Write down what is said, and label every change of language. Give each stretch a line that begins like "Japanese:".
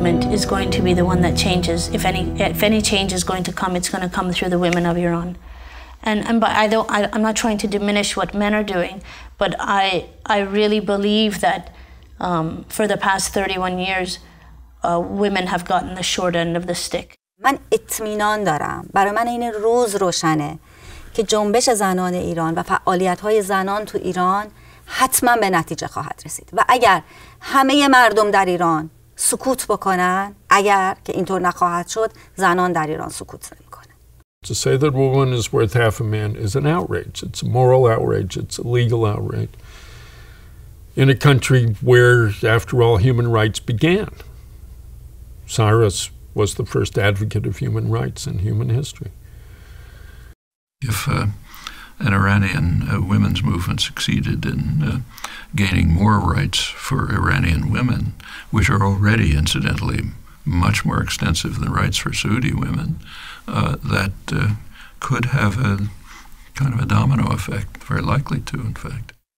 English: Is going to be the one that changes. If any change is going to come, it's going to come through the women of Iran. And but I'm not trying to diminish what men are doing, but I really believe that for the past 31 years, women have gotten the short end of the stick.
Persian: من اطمینان دارم، برای من این روز روشنه که جنبش زنان ایران و فعالیت‌های زنان تو ایران حتما به نتیجه خواهد رسید و اگر همه مردم در ایران سکوت بکنن، اگر که اینطور نخواهد شد، زنان در ایران سکوت نمی‌کنن.
English: To say that a woman is worth half a man is an outrage. It's a moral outrage, it's a legal outrage. In a country where after all human rights began. Cyrus was the first advocate of human rights in human history. If an Iranian women's movement succeeded in gaining more rights for Iranian women, which are already, incidentally, much more extensive than rights for Saudi women, that could have a kind of a domino effect, very likely to, in fact.